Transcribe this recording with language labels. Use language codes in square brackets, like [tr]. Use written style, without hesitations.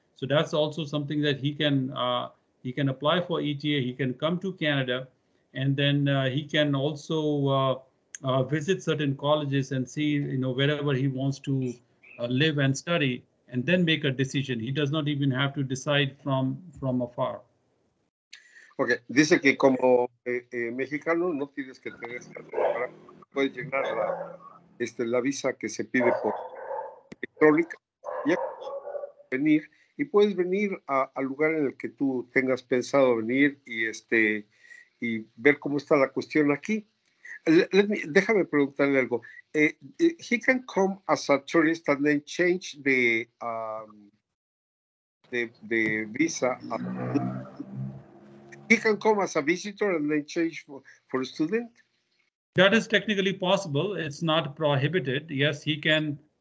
[en] So that's also something that he can apply for ETA. He can come to Canada, and then he can also visit certain colleges and see wherever he wants to live and study, and then make a decision. He does not even have to decide from afar. Okay. [es] Dice que como mexicano no tienes que tener esta, puedes llenar la visa que se pide por electrónica y venir, y puedes venir al lugar en el que tú tengas pensado venir y ver cómo está la cuestión aquí. Déjame preguntarle algo. [en] He can come as a tourist and then change the visa. He can come as a visitor and then change for a student? That is technically possible. It's not prohibited. Yes, he can.